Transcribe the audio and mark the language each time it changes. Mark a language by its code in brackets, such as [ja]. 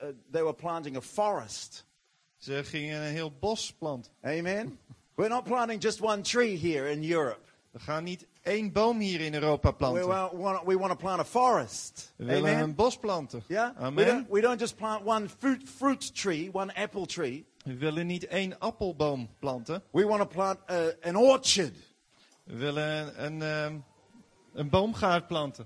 [en] They were planting a forest. [nl] Ze gingen een heel bos planten. Amen. [en] We're not planting just one tree here in Europe. [nl] We gaan niet één boom hier in Europa planten. [en] We want to plant a forest. [nl] We willen Amen. Een bos planten. [en] Yeah? Amen. We don't just plant one fruit tree, one apple tree. [nl] We willen niet één appelboom planten. [en] We want to plant an orchard. [nl] We willen een boomgaard planten.